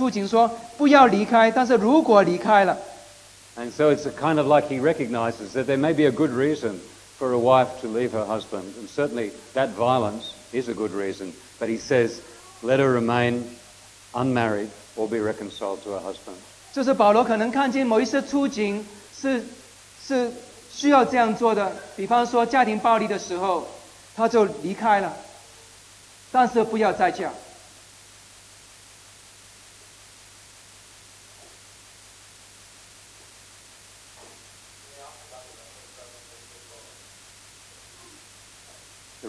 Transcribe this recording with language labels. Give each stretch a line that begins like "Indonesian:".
Chinese: 所以在这里保罗讲到一个处境说,不要离开,但是如果离开了,
English: And so it's a kind of like he recognizes that there may be a good reason for a wife to leave her husband, and certainly that violence is a good reason, but he says, let her remain unmarried or be reconciled to her husband.
Chinese: 就是保罗可能看见某一些处境是 需要这样做的,比方说家庭暴力的时候,他就离开了,但是不要再嫁。The